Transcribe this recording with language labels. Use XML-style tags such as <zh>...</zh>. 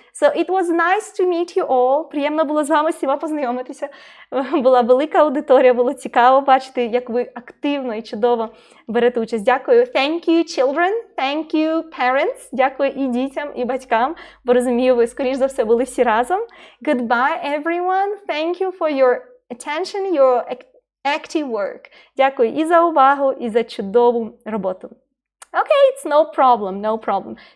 <en>So, it was nice to meet you all,</en> <uk>приємно було з вами всіма познайомитися, була велика аудиторія, було цікаво бачити, як ви активно і чудово берете участь. Дякую,</uk> <en>thank you children, thank you parents,</en> <uk>дякую і дітям, і батькам, бо розумію, ви, скоріш за все, були всі разом.</uk> <en>Goodbye everyone, thank you for your attention, your active work.</en> <uk>Дякую і за увагу, і за чудову роботу.</uk> <en>Okay, it's no problem, no problem.</en>